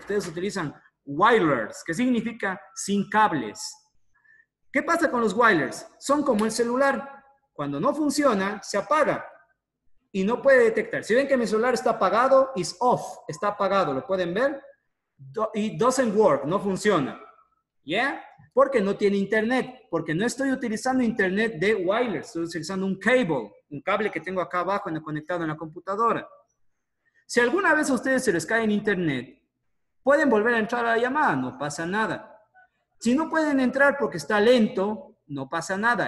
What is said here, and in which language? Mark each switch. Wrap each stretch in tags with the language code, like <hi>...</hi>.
<es>Ustedes utilizan wireless, que significa sin cables. ¿Qué pasa con los wireless? Son como el celular. Cuando no funciona, se apaga y no puede detectar. Si ven que mi celular está apagado,</es> <en>it's off,</en> <es>está apagado, ¿lo pueden ver?</es> <en>It doesn't work,</en> <es>no funciona. ¿Yeah? Porque no tiene internet, porque no estoy utilizando internet de wireless, estoy utilizando un cable que tengo acá abajo conectado en la computadora. Si alguna vez a ustedes se les cae en internet, pueden volver a entrar a la llamada, no pasa nada. Si no pueden entrar porque está lento, no pasa nada.</es>